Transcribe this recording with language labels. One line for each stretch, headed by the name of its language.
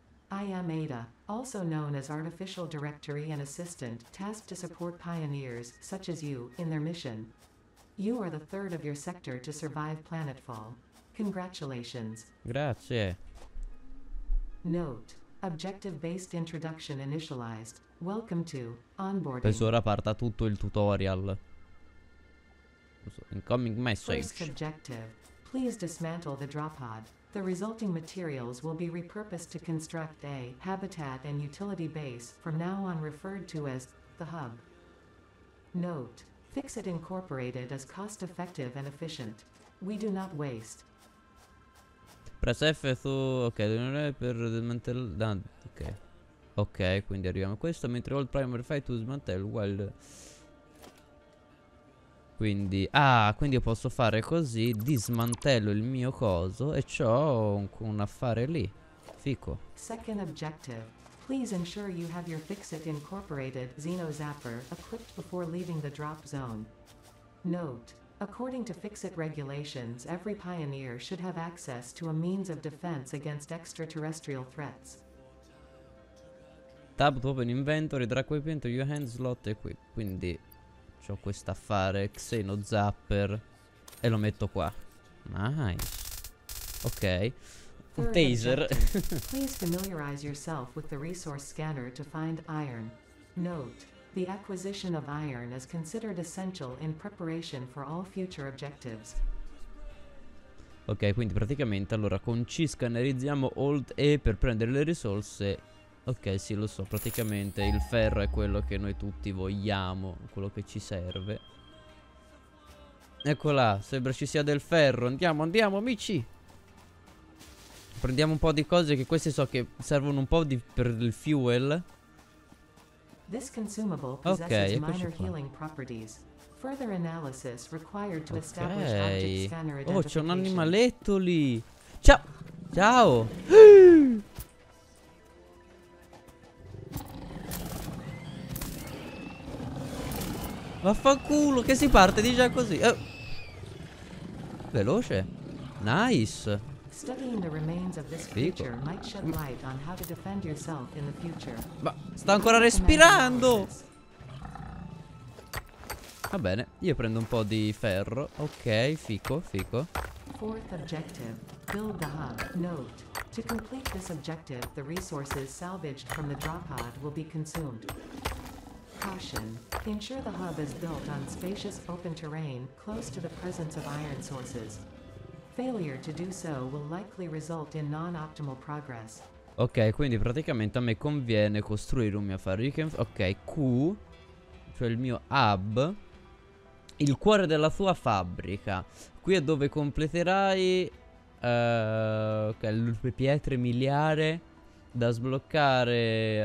English: I am Ada, also known as Artificial Directory and Assistant, tasked to support pioneers, such as you, in their mission. You are the third of your sector to survive planetfall. Congratulations.
Italian: Grazie.
English: Note: objective-based introduction initialized. Welcome to onboarding.
Italian: Penso ora parta tutto il tutorial.
English: Incoming message. First objective. Please dismantle the drop pod. The resulting materials will be repurposed to construct a habitat and utility base, from now on referred to as the hub. Note: Fixit Incorporated is cost effective and efficient. We do not waste. Press F to...
Italian: Ok, non è per dismantle... ok. Ok, quindi arriviamo a questo.
English: Mentre hold primary fight to dismantle well.
Italian: Quindi... ah, quindi io posso fare così. Dismantello il mio coso e c'ho un affare lì. Fico.
English: Second objective. Please ensure you have your Fixit Incorporated Xeno Zapper equipped before leaving the drop zone. Note. According to Fixit regulations, every pioneer should have access to a means of defense against extraterrestrial threats. Tab to open inventory, drag equipment to your hand slot equip.
Italian: Quindi c'ho quest'affare Xeno Zapper e lo metto qua. Nice. Ok. Un taser.
English: Please familiarize yourself with the resource scanner to find iron. Note. The acquisition of iron is considered essential in preparation for all future objectives.
Italian: Ok, quindi praticamente allora con C scannerizziamo Alt E per prendere le risorse. Ok, sì, lo so, praticamente il ferro è quello che noi tutti vogliamo, quello che ci serve. Eccola, sembra ci sia del ferro. Andiamo, andiamo, amici. Prendiamo un po' di cose che queste so che servono un po' di, per il fuel.
English: This consumable possesses okay, minor healing properties. Further analysis required to establish object scanner identification.
Italian: Oh, c'è un animaletto lì. Ciao. Ciao. Vaffanculo, che si parte di già così. Veloce. Nice.
English: Studying the remains of this creature might shed light on how to defend yourself in the future.
Italian: Ma sta ancora respirando! Va bene, io prendo un po' di ferro. Ok, fico, fico.
English: Fourth objective, build the hub. Note, to complete this objective, the resources salvaged from the drop pod will be consumed. Caution, ensure the hub is built on spacious open terrain close to the presence of iron sources. Failure to do so will likely result in non-optimal progress.
Italian: Ok, quindi praticamente a me conviene costruire un mio affare. Ok, Q, cioè il mio hub, il cuore della tua fabbrica. Qui è dove completerai le pietre miliari da sbloccare.